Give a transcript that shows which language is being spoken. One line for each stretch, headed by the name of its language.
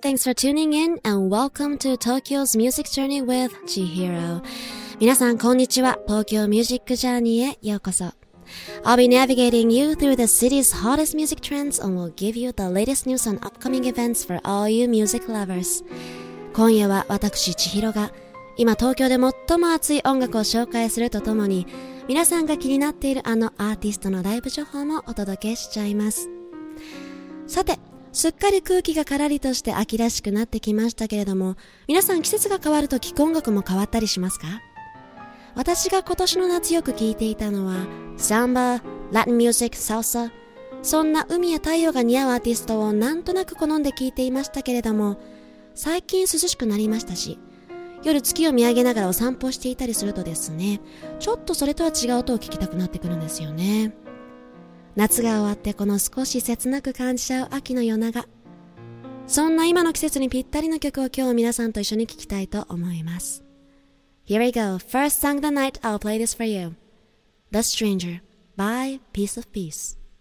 English: Thanks for tuning in and welcome to Tokyo's Music Journey with Chihiro.
Japanese: 皆さん、こんにちは。
English: Tokyo Music Journey
Japanese: へようこそ。
English: I'll be navigating you through the city's hottest music trends and will give you the latest news on upcoming events for all you music lovers.
Japanese: 今夜は私、千尋が今東京で最も熱い音楽を紹介するとともに、皆さんが気になっているあのアーティストのライブ情報もお届けしちゃいます。さて、すっかり空気がカラリとして秋らしくなってきましたけれども、皆さん季節が変わると聴く音楽も変わったりしますか？私が今年の夏よく聴いていたのは、サンバ、ラテンミュージック、サルサ、そんな海や太陽が似合うアーティストをなんとなく好んで聴いていましたけれども、最近涼しくなりましたし、夜月を見上げながらお散歩していたりするとですね、ちょっとそれとは違う音を聴きたくなってくるんですよね。夏が終わってこの少し切なく感じちゃう秋の夜長、そんな今の季節にぴったりの曲を今日皆さんと一緒に聴きたいと思います。
English: Here we go, first song of the night, I'll play this for you. The Stranger by Peace of Peace.